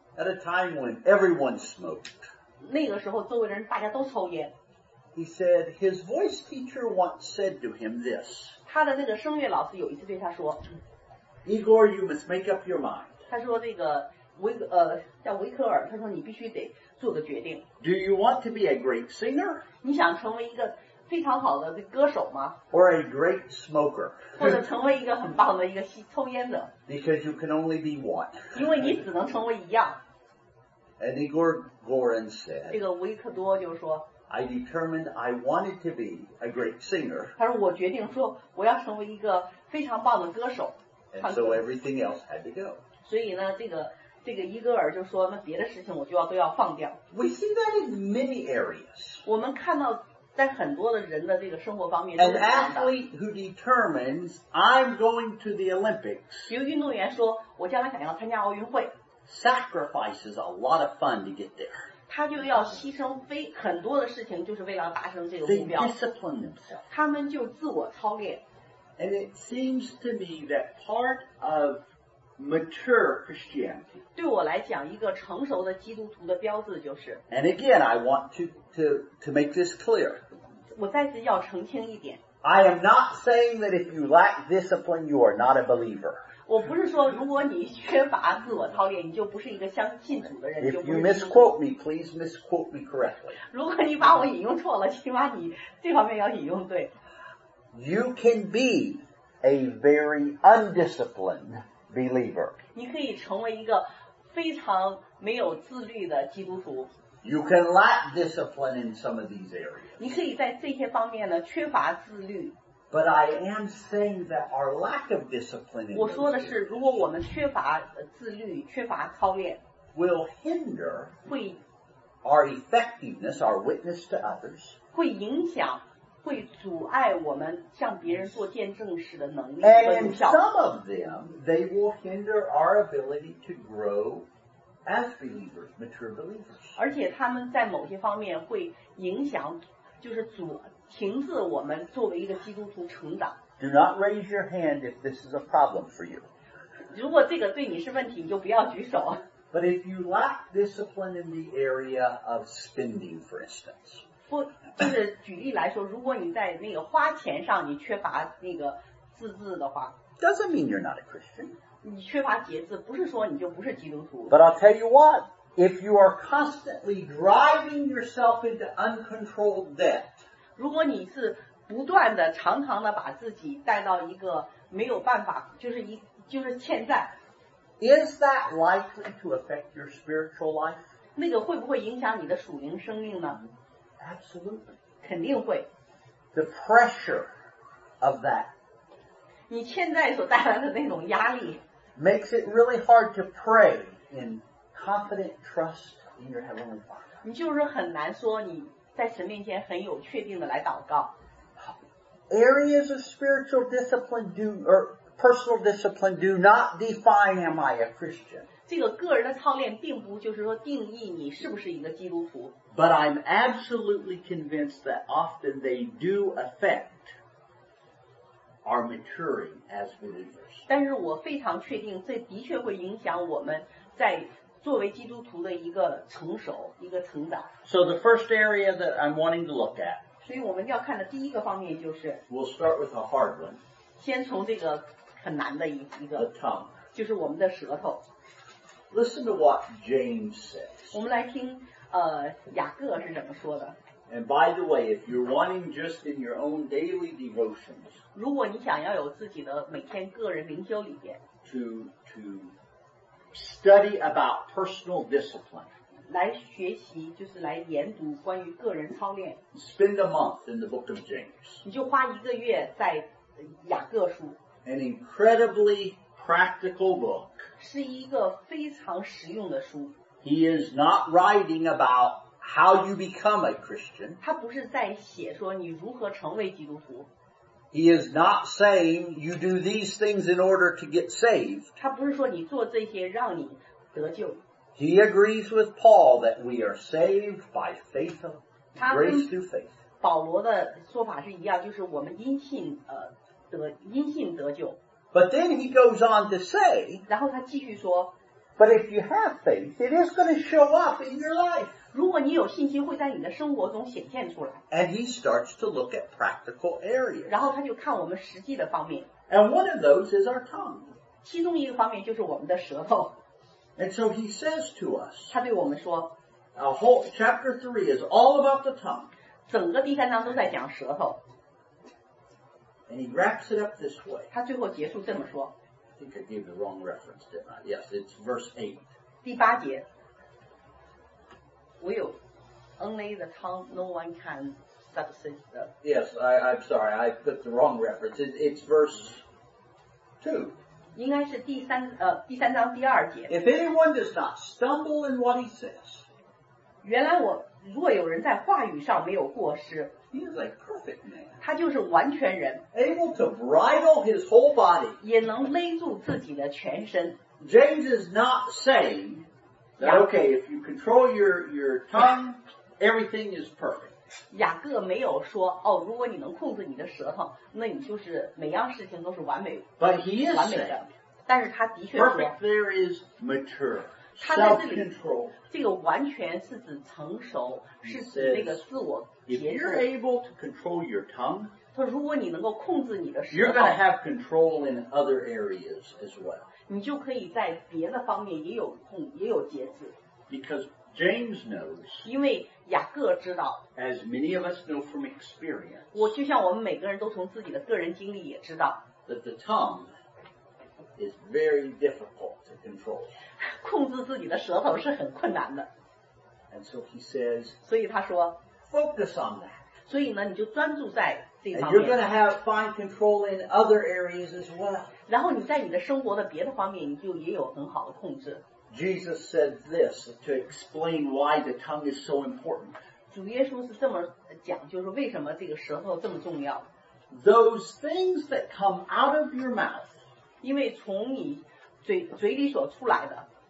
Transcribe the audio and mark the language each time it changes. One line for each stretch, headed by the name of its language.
English: At a time when everyone smoked.
Chinese: 那个时候周围的人大家都抽烟
English: He said his voice teacher once said to him this
Chinese: 他的那个声乐老师有一次对他说
English: Igor you must make up your mind
Chinese: 他说这个叫维克尔他说你必须得做个决定
English: Do you want to be a great singer?
Chinese: 你想成为一个非常好的歌手吗
English: Or a great smoker
Chinese: 或者成为一个很棒的一个抽烟的
English: Because you can only be one
Chinese: 因为你只能成为一样
English: And Igor Gorin said,
Chinese: 这个维克多就说
English: I determined I wanted to be a great singer.
Chinese: 他说我决定说我要成为一个非常棒的歌手。
English: And so everything else had to go.
Chinese: 所以呢这个伊戈尔就说那别的事情我就要都要放掉。
English: We see that in many areas.
Chinese: 我们看到在很多的人的这个生活方面都是这样的。
English: An athlete who determines I'm going to the Olympics.
Chinese: 有运动员说我将来想要参加奥运会。
English: Sacrifices a lot of fun to get there.
Chinese: 他就要牺牲非很多的事情，就是为了达成这个目标。
English: They discipline themselves.
Chinese: 他们就自我操练。
English: And it seems to me that part of mature Christianity.
Chinese: 对我来讲，一个成熟的基督徒的标志就是。
English: And again, I want to make this clear.
Chinese: 我再次要澄清一点。
English: I am not saying that if you lack discipline, you are not a believer.
Chinese: 我不是说如果你缺乏自我操练，你就不是一个相信主的人。
English: If you misquote me, please misquote me correctly.
Chinese: 如果你把我引用错了，起码你这方面要引用对。
English: You can be a very undisciplined believer.
Chinese: 你可以成为一个非常没有自律的基督徒。
English: You can lack discipline in some of these areas.
Chinese: 你可以在这些方面呢缺乏自律。
English: But I am saying that our lack of discipline.
Chinese: 我说的是，如果我们缺乏自律、缺乏操练
English: ，will hinder
Chinese: 会
English: our effectiveness, our witness to others.
Chinese: 会影响，会阻碍我们向别人做见证时的能力。
English: And in some of them, they will hinder our ability to grow as believers, mature believers.
Chinese: 而且他们在某些方面会影响，就是阻。停止我们作为一个基督徒成长。
English: Do not raise your hand if this is a problem for you.
Chinese: 如果这个对你是问题，你就不要举手。
English: But if you lack discipline in the area of spending, for instance.
Chinese: 不，就是举例来说，如果你在那个花钱上你缺乏那个自制的话。
English: Doesn't mean you're not a Christian.
Chinese: 你缺乏节制，不是说你就不是基督徒。
English: But I'll tell you what, if you are constantly driving yourself into uncontrolled debt.
Chinese: 如果你是不断的、常常的把自己带到一个没有办法，就是欠债。
English: Is that likely to affect your spiritual life?
Chinese: 那个会不会影响你的属灵生命呢
English: ？Absolutely.
Chinese: 肯定会。
English: The pressure of that.
Chinese: 你欠债所带来的那种压力。
English: Makes it really hard to pray in confident trust in your heavenly Father.
Chinese: 你就是很难说你。在神面前很有确定的来祷告。
English: Areas of spiritual discipline do or personal discipline do not define am I a Christian.
Chinese: 这个个人的操练并不就是说定义你是不是一个基督徒。
English: But I'm absolutely convinced that often they do affect our maturing as believers.
Chinese: 但是我非常确定，这的确会影响我们在。作为基督徒的一个成熟，一个成长。
English: So the first area that I'm wanting to look at.
Chinese: 所以我们要看的第一个方面就是。
English: We'll start with a hard one.
Chinese: 先从这个很难的一个。
English: The tongue.
Chinese: 就是我们的舌头。
English: Listen to what James says.
Chinese: 我们来听雅各是怎么说的。
English: And by the way, if you're wanting just in your own daily devotions.
Chinese: 如果你想要有自己的每天个人灵修里边。
English: To. Study about personal discipline.
Chinese: 来学习就是来研读关于个人操练。
English: Spend a month in the book of James.
Chinese: 你就花一个月在雅各书。
English: An incredibly practical book.
Chinese: 是一个非常实用的书。
English: He is not writing about how you become a Christian.
Chinese: 他不是在写说你如何成为基督徒。
English: He is not saying you do these things in order to get saved.
Chinese: 他不是说你做这些让你得救。
English: He agrees with Paul that we are saved by faith, grace through faith.
Chinese: 保罗的说法是一样，就是我们因信因信得救。
English: But then he goes on to say.
Chinese: 然后他继续说。
English: But if you have faith, it is going to show up in your life.
Chinese: 如果你有信心，会在你的生活中显现出来。
English: And he starts to look at practical areas.
Chinese: 然后他就看我们实际的方面。
English: And one of those is our tongue.
Chinese: 其中一个方面就是我们的舌头。
English: And so he says to us.
Chinese: 他对我们说。
English: A whole chapter 3 is all about the tongue.
Chinese: 整个第三章都在讲舌头。
English: And he wraps it up this way.
Chinese: 他最后结束这么说。
English: I think I gave the wrong reference, didn't I? Yes, it's verse 8.
Chinese: 第八节
English: Will, only the tongue no one can substitute. Yes, I'm sorry, I put the wrong reference. It's verse 2.
Chinese: 应该是第三章第二节
English: If anyone does not stumble in what he says,
Chinese: 原来我如果有人在话语上没有过失
English: He is a perfect man.
Chinese: 他就是完全人
English: Able to bridle his whole body.
Chinese: 也能勒住自己的全身
English: James is not saying that okay, if you control your tongue, everything is perfect.
Chinese: 雅各没有说哦，如果你能控制你的舌头，那你就是每样事情都是完美
English: But he is
Chinese: 完美的
English: saying,
Chinese: 但是他的确说
English: Perfect there is mature.
Chinese: 他在这里，这个完全是指成熟，是指那个自我节制。
English: If you're able to control your tongue,
Chinese: 说如果你能够控制你的舌头
English: You're going to have control in other areas as well.
Chinese: 你就可以在别的方面也有控也有节制
English: Because James knows,
Chinese: 因为雅各知道
English: as many of us know from experience,
Chinese: 我就像我们每个人都从自己的个人经历也知道
English: that the tongue is very difficult to control.
Chinese: 控制自己的舌头是很困难的
English: And so he says,
Chinese: 所以他说
English: focus on that.
Chinese: 所以呢，你就专注在这方面。
English: And you're going to have fine control in other areas as well.
Chinese: 然后你在你的生活的别的方面，你就也有很好的控制。
English: Jesus said this to explain why the tongue is so important.
Chinese: 主耶稣是这么讲，就是为什么这个舌头这么重要。
English: Those things that come out of your mouth,
Chinese: 因为从你嘴里所出来的